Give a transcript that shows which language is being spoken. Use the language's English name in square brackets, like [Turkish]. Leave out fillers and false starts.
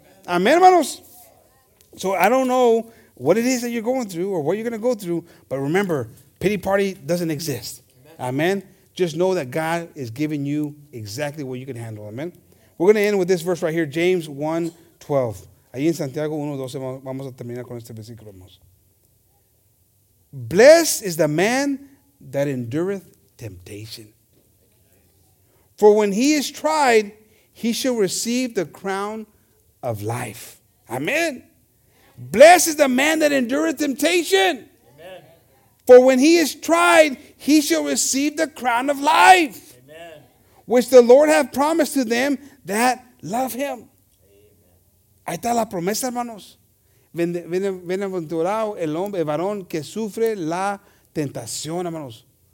[English] Amen. [Spanish] Amen, hermanos? [English] So I don't know what it is that you're going through or what you're going to go through, but remember, pity party doesn't exist. Amen. Just know that God is giving you exactly what you can handle. Amen. We're going to end with this verse right here, James 1:12. [Spanish] Ahí en Santiago 1:12 vamos a terminar con este versículo. [English] Blessed is the man that endureth temptation. For when he is tried, he shall receive the crown of life. Amen. Blessed is the man that endureth temptation. For when he is tried, he shall receive the crown of life, amen, which the Lord hath promised to them that love him. [Spanish] Ahí está la promesa, hermanos. Bienaventurado el hombre, el varón que sufre la tentación, hermanos.